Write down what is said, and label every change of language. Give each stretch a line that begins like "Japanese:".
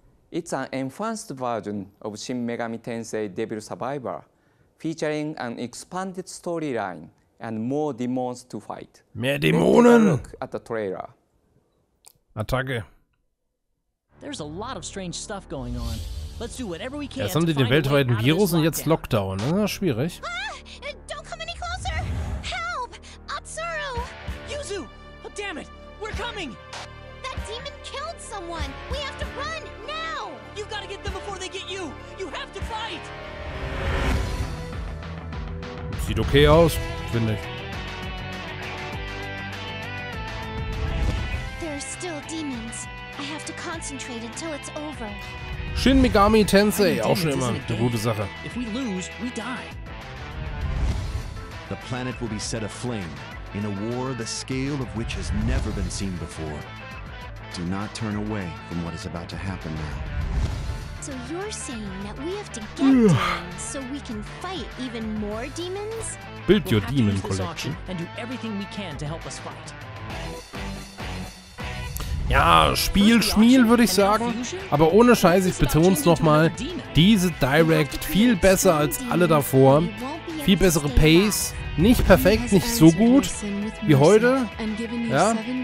English: It's an enhanced version of Shin Megami Tensei Devil Survivor, featuring an expanded storyline and more demons to fight.
German: Mehr Dämonen!
English: Let's look at the trailer.
German: Attacke.
English: There's a lot of strange stuff going on. Let's do whatever we can.
German: Jetzt haben die den weltweiten Virus und jetzt Lockdown. Ja, schwierig.
English: Ah, don't come any closer! Help! Atsuru! Yuzu! Oh, damn it! We're coming! That demon killed someone! We have to run! Now! You've got to get them before they get you! You have to fight!
German: Sieht okay aus, finde ich.
English: There are still demons. I have to concentrate until it's over.
German: Shin Megami Tensei, auch schon immer eine gute Sache.
English: If we lose, we die. The planet will be set aflame in a war the scale of which has never been seen before. Do not turn away from what is about to happen now. So you're saying that we have to get demons so we can fight even more demons? Build your demon collection and do everything we can to help us fight.
German: Ja, Spiel-Schmiel, würde ich sagen. Aber ohne Scheiß, ich betone es nochmal. Diese Direct viel besser als alle davor. Viel bessere Pace. Nicht perfekt, nicht so gut wie heute. Ja.